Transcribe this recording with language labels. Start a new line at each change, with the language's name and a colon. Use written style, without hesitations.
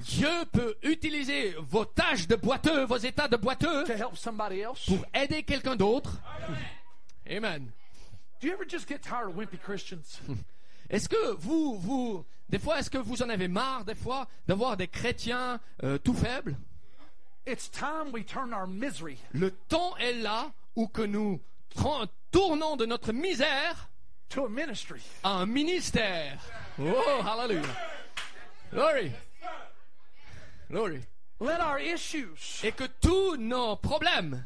French: Dieu peut utiliser vos taches de boiteux, vos états de boiteux,
English: to help somebody else.
French: Pour aider quelqu'un d'autre. Amen. Amen.
English: Do you ever just get tired of wimpy Christians?
French: Est-ce que vous des fois est-ce que vous en avez marre des fois d'avoir des chrétiens tout faibles?
English: It's time we turn our misery.
French: Le temps est là où que nous tournons de notre misère.
English: To a ministry.
French: Un ministère. Oh, hallelujah.
English: Glory. Glory. Let our issues.
French: Et que tous nos problèmes.